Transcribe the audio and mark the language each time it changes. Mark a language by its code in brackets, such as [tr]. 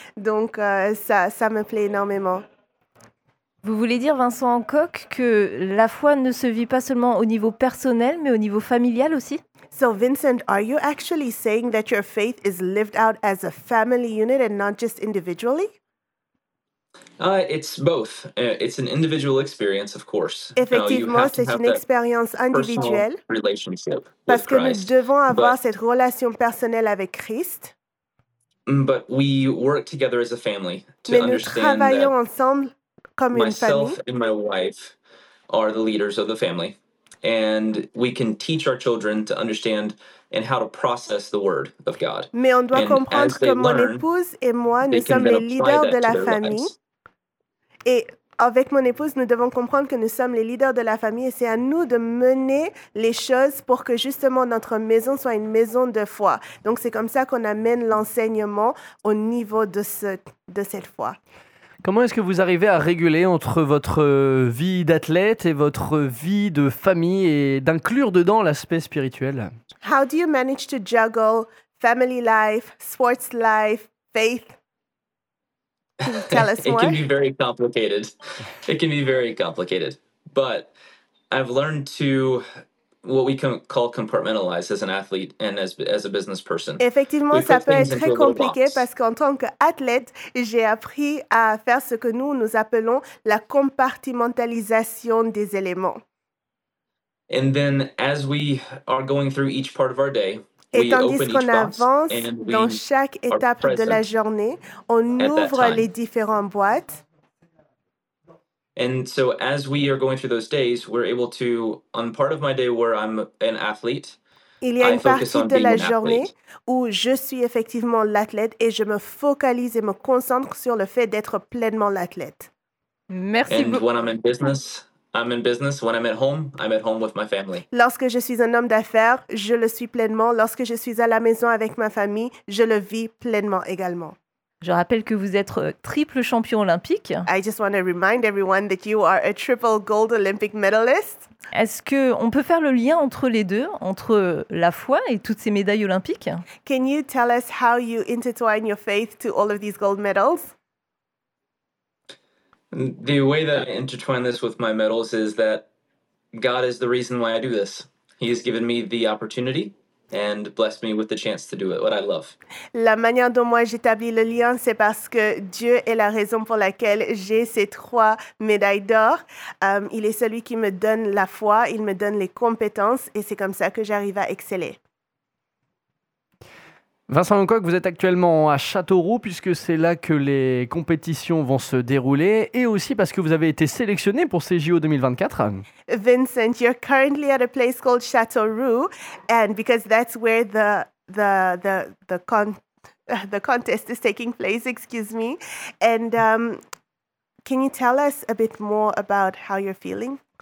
[fr] Donc, ça me plaît énormément. Vous voulez dire, Vincent Hancock, que la foi ne se vit pas seulement au niveau personnel, mais au niveau familial aussi? [en] So, Vincent, are you actually saying that your faith is lived out as a family unit and not just individually? It's both. It's an individual experience, of course. [fr] Effectivement, c'est une expérience individuelle. [en] Relationship [fr] parce que Christ, nous devons avoir cette relation personnelle avec Christ. [en] But we work together as a family to [fr] mais [en] understand [fr] nous travaillons ensemble. [en] Myself and my wife are the leaders of the family, and we can teach our children to understand and how to process the word of God. [fr] Mais on doit comprendre que mon épouse et moi, nous sommes les leaders de la famille. Et avec mon épouse, nous devons comprendre que nous sommes les leaders de la famille et c'est à nous de mener les choses pour que justement notre maison soit une maison de foi. Donc c'est comme ça qu'on amène l'enseignement au niveau de cette foi. Comment est-ce que vous arrivez à réguler entre votre vie d'athlète et votre vie de famille et d'inclure dedans l'aspect spirituel? [en] How do you manage to juggle family life, sports life, faith? Tell us more. It can be very complicated. It can be very complicated. But I've learned to what we can call compartmentalize as an athlete and as a business person. [fr] Effectivement, ça peut être très compliqué parce qu'en tant qu'athlète, j'ai appris à faire ce que nous appelons la compartimentalisation des éléments. [en] And then as we are going through each part of our day, [fr] et tandis qu'on avance dans chaque étape de la journée, on ouvre les différentes boîtes. [en] And so as we are going through those days, we're able to, on part of my day where I'm an athlete, [fr] il y a une partie de la journée où je suis effectivement l'athlète et je me focalise et me concentre sur le fait d'être pleinement l'athlète. Merci beaucoup. [en] And when I'm in business, I'm in business. When I'm at home with my family. [fr] Lorsque je suis un homme d'affaires, je le suis pleinement. Lorsque je suis à la maison avec ma famille, je le vis pleinement également. Je rappelle que vous êtes triple champion olympique. [en] I just want to remind everyone that you are a triple gold Olympic medalist. [fr] Est-ce que on peut faire le lien entre les deux, entre la foi et toutes ces médailles olympiques? [en] Can you tell us how you intertwine your faith to all of these gold medals? The way that I intertwine this with my medals is that God is the reason why I do this. He has given me the opportunity and bless me with the chance to do it, what I love. [fr] La manière dont moi j'établis le lien, c'est parce que Dieu est la raison pour laquelle j'ai ces trois médailles d'or. Il est celui qui me donne la foi, il me donne les compétences, et c'est comme ça que j'arrive à exceller. Vincent Hancock, vous êtes actuellement à Châteauroux, puisque c'est là que les compétitions vont se dérouler, et aussi parce que vous avez été sélectionné pour ces JO 2024. [en] Vincent, you're currently at a place called Châteauroux, and because that's where the contest is taking place, excuse me. And can you tell us a bit more about how you're feeling?